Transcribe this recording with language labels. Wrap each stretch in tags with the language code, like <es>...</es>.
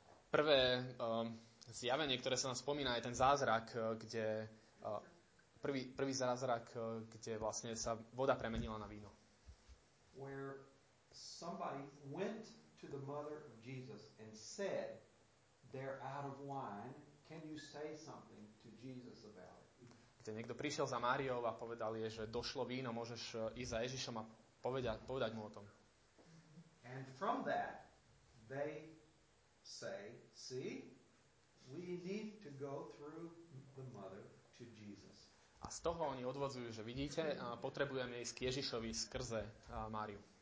<sk>Prvé zjavenie, ktoré sa nám spomína, je ten zázrak, kde prvý zázrak, kde vlastne sa voda premenila na víno.</sk> <en>Where somebody went to the mother of Jesus and said, "They're out of wine. Can you say something to Jesus about it?"</en> <sk>Kde niekto prišiel za Máriou a povedal jej, že došlo víno, môžeš ísť za Ježišom a povedať mu o tom.</sk> <en>And from that they say, "See, we need to go through the mother to Jesus."</en> <sk>A z toho oni odvodzujú, že vidíte, potrebujeme ísť k Ježišovi skrze Máriu.</sk>